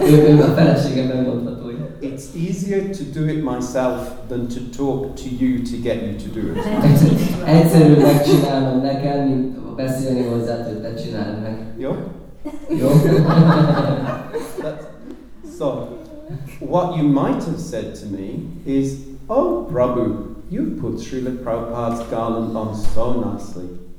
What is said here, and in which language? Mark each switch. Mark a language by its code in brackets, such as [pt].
[en] It's easier to do it myself than to talk to you to get you to do it. [hu] Egyszerűbb megcsinálnom neked, mint beszélni hozzád, hogy te csináld meg. Jó? Jó? [en] Sorry. What you might have said to me is, oh, Prabhu, you've put Srila Prabhupada's garland on so nicely.